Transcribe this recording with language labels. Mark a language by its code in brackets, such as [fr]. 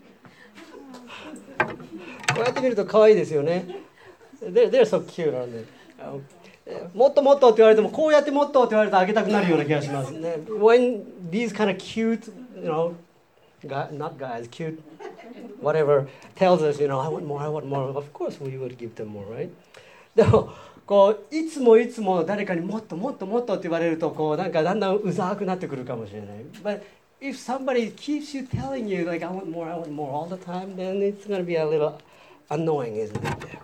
[ja] こうやって見ると可愛いですよね。 [en] They're so cute, aren't they? [ja] もっともっとって言われても、こうやってもっとって言われるとあげたくなるような気がしますね。 [en] When these kind of cute, you know, guys, not guys, cute, whatever, tells us, you know, I want more, I want more, of course we would give them more, right? [ja] でも、こう、いつもいつも誰かにもっともっともっとって言われると、こう、なんかだんだんうざくなってくるかもしれない。 [en] But if somebody keeps you telling you, like, I want more all the time, then it's going to be a little annoying, isn't it?